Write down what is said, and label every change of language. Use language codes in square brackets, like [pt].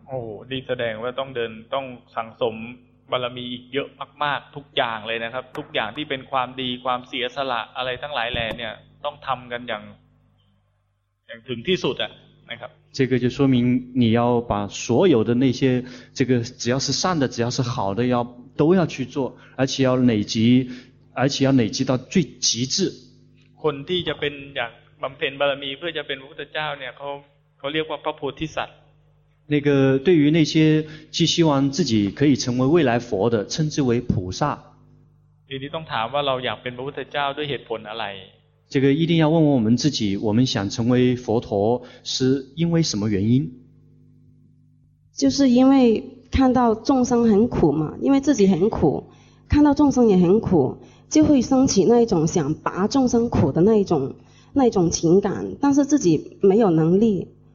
[th] โอ้นี่แสดงว่าต้องสั่งสมบารมีอีกเยอะมากๆทุกอย่างเลยนะครับทุกอย่างที่เป็นความดีความเสียสละอะไรทั้งหลายแหล่เนี่ยต้องทำกันอย่างถึงที่สุดอ่ะนะครับ [zh] 这个就说明你要把所有的那些这个只要是善的只要是好的要都要去做而且要累积到最极致 [th] คนที่จะเป็นอยากบำเพ็ญบารมีเพื่อจะเป็นพระพุทธเจ้าเนี่ยเขาเรียกว่าพระโพธิสัตว์ [zh] 那个对于那些既希望自己可以成为未来佛的称之为菩萨 [th] 你ต้องถามว่าเราอยากเป็นพระพุทธเจ้าด้วยเหตุผลอะไร [zh] 这个一定要问问我们自己我们想成为佛陀是因为什么原因就是因为看到众生很苦嘛因为自己很苦看到众生也很苦就会升起那一种想拔众生苦的那一种情感但是自己没有能力